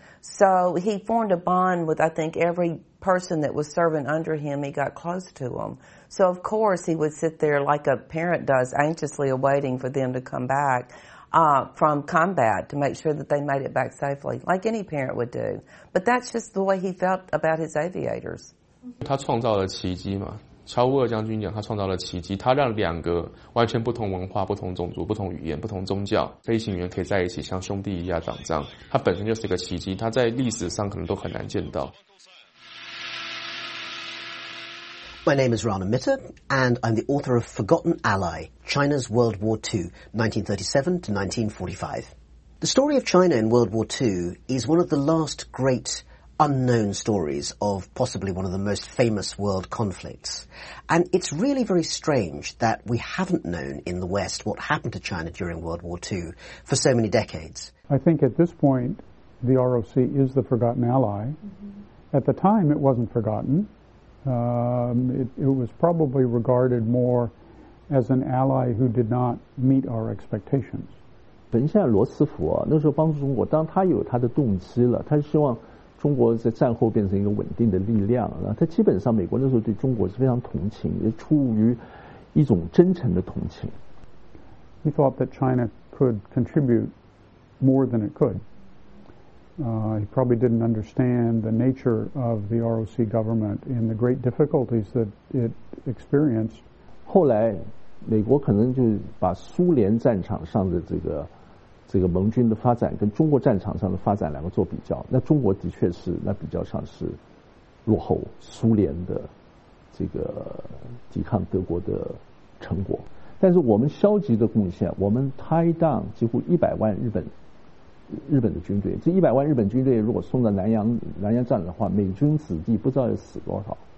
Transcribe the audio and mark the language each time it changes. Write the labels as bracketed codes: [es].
[en] So he formed a bond with, I think, every person that was serving under him. He got close to them. So, of course, he would sit there like a parent does, anxiously awaiting for them to come back. From combat to make sure that they made it back safely, like any parent would do. But that's just the way he felt about his aviators. [zh] 他创造了奇迹嘛，乔乌尔将军讲他创造了奇迹，他让两个完全不同文化、不同种族、不同语言、不同宗教飞行员可以在一起像兄弟一样打仗。他本身就是一个奇迹，他在历史上可能都很难见到。 [en] My name is Rana Mitter, and I'm the author of Forgotten Ally, China's World War II, 1937 to 1945. The story of China in World War II is one of the last great unknown stories of possibly one of the most famous world conflicts. And it's really very strange that we haven't known in the West what happened to China during World War II for so many decades. I think at this point, the ROC is the Forgotten Ally. Mm-hmm. At the time, it wasn't forgotten. It was probably regarded more as an ally who did not meet our expectations. [zh] 等一下，罗斯福啊，那时候帮助中国，当他有他的动机了，他希望中国在战后变成一个稳定的力量。然后他基本上，美国那时候对中国是非常同情，也出于一种真诚的同情。 [en] He thought that China could contribute more than it could. He probably didn't understand the nature of the ROC government and the great difficulties that it experienced. [zh] 后来，美国可能就把苏联战场上的这个盟军的发展跟中国战场上的发展两个做比较，那中国的确是那比较上是落后苏联的这个抵抗德国的成果，但是我们消极的贡献，我们 [en] tie down [zh] 几乎100万日本的军队，这100万日本军队如果送到南洋战的话，美军子弟不知道要死多少。